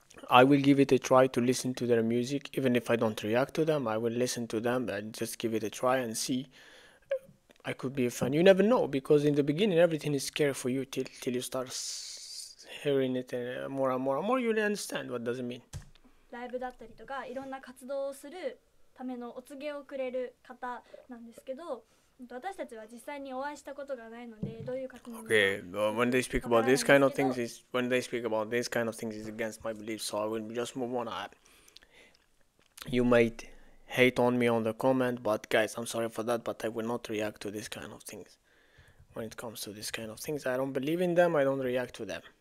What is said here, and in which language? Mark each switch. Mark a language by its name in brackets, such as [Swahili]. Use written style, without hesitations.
[English] I will give it a try to listen to their music, even if I don't react to them, I will listen to them and just give it a try and see. I could be a fan. You never know, because in the beginning, everything is scary for you till you start hearing it more and more and more, you'll understand what does it mean. [Japanese] ライブだったりとかいろんな活動をするためのお告げをくれる方なんですけど、私たちは実際にお会いしたことがないのでどういう方なのか。 [English] Okay, when they speak about this kind of things is when they speak about this kind of things is against my beliefs, so I will just move on. You might hate on me on the comment, but guys, I'm sorry for that, but I will not react to this kind of things. When it comes to this kind of things, I don't believe in them. I don't react to them.